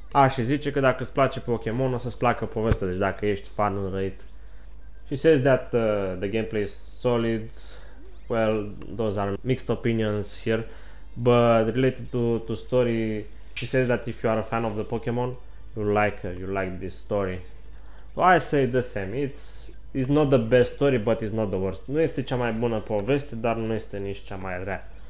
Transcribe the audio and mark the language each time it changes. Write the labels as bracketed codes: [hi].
[ro] Și zice că dacă îți place Pokémon, o să-ți placă povestea, deci dacă ești fan înrăit. [en] She says that the gameplay is solid. Well, those are mixed opinions here, but related to story, she says that if you are a fan of the Pokémon, you like this story. Well, I say the same. It's not the best story, but it's not the worst. [ro] Nu este cea mai bună poveste, dar nu este nici cea mai rea.